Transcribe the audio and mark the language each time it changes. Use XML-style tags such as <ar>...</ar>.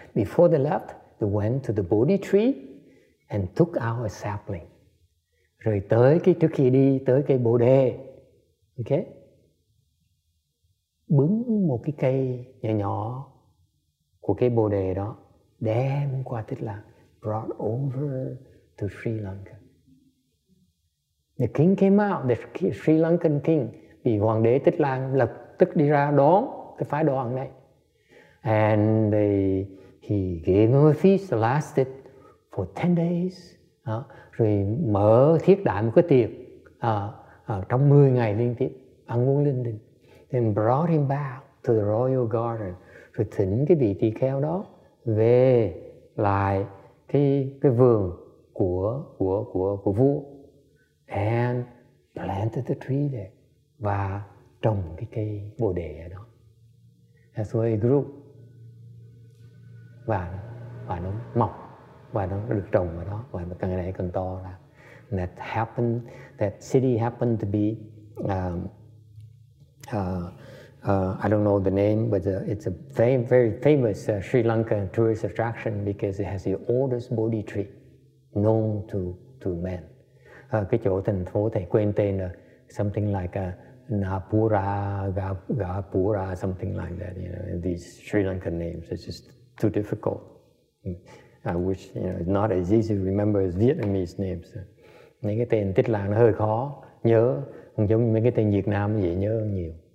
<en>Before they left, they went to the Bodhi tree and took out a sapling.</en> <vi>Rồi tới cái trước khi đi tới cây Bồ Đề, okay, bứng một cái cây nhỏ nhỏ của cây Bồ Đề đó, đem qua Tích Lạc,</vi> <en>brought over to Sri Lanka. The king came out, the Sri Lankan king,</en> <vi>vì hoàng đế Tích Lan lập tức đi ra đón cái phái đoàn này.</vi> <en>And he gave him a feast that lasted for 10 days.</en> <vi>Rồi mở thiết đại một cái tiệc trong 10 ngày liên tiếp, ăn uống linh đình.</vi> <en>Then brought him back to the royal garden.</en> <vi>Rồi thỉnh cái vị tỳ kheo đó về lại cái vườn của vua,</vi> <en>and planted the tree there,</en> <vi>và trồng cái cây bồ đề ở đó.</vi> <en>That's why it grew,</en> <vi>và nó mọc, và nó được trồng ở đó, và nó càng ngày càng to ra.</vi> <en>That happened, that city happened to be I don't know the name, but it's a very famous Sri Lankan tourist attraction because it has the oldest Bodhi tree known to men.</en> <vi>Cái chỗ thành phố thầy quên tên là</vi> <en>something like Napura, Gapura, something like that. You know, these Sri Lankan names, it's just too difficult. I wish, you know, not as easy to remember as Vietnamese names.</en> <vi>Những cái tên Tích Lan nó hơi khó, nhớ, không giống như mấy cái tên Việt Nam dễ nhớ hơn nhiều.</vi>